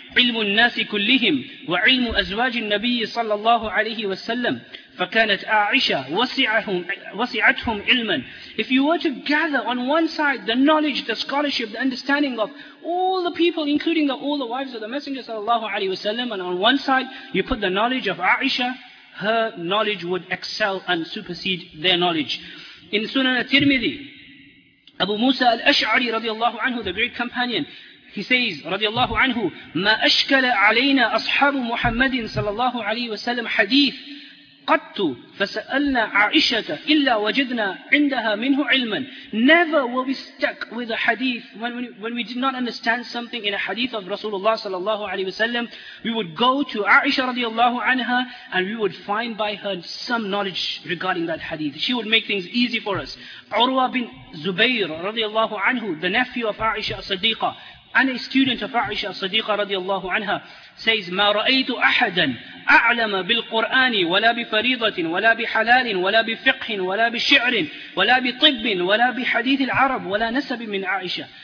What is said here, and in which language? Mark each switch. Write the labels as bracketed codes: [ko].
[ar] علم الناس كلهم وعلم أزواج النبي صلى الله عليه وسلم فكانت عائشة وسعتهم علما. [en] If you were to gather on one side the knowledge, the scholarship, the understanding of all the people, including all the wives of the Messenger صلى الله عليه وسلم, and on one side you put the knowledge of Aisha, her knowledge would excel and supersede their knowledge. In Sunan al-Tirmidhi, Abu Musa al-Ash'ari radiallahu anhu, [ar] the great companion, he says, radiallahu anhu, مَا أَشْكَلَ عَلَيْنَا أَصْحَابُ مُحَمَّدٍ صَلَى اللَّهُ عَلَيْهِ وَسَلَّمَ حَدِيثٍ قَتُّ فَسَأَلْنَا عَائِشَةَ إِلَّا وَجِدْنَا عِنْدَهَا مِنْهُ عِلْمًا. [en] Never were we stuck with a hadith. When we did not understand something in a hadith of Rasulullah sallallahu alayhi wa sallam, we would go to Aisha radiallahu anha and we would find by her some knowledge regarding that hadith. She would make things easy for us. Urwa bin Zubayr radiallahu anhu, the nephew of Aisha as-Siddiqah, and a student of Aisha as-Siddiqah radiallahu anha, says, [ar] مَا رَأَيْتُ أَحَدًا أَعْلَمَ بِالْقُرْآنِ وَلَا بِفَرِيضَةٍ وَلَا بِحَلَالٍ وَلَا بِفِقْهٍ وَلَا بِشِعْرٍ وَلَا بِطِبٍ وَلَا بِحَدِيثِ الْعَرَبِ وَلَا نَسَبٍ مِنْ عَائِشَةٍ.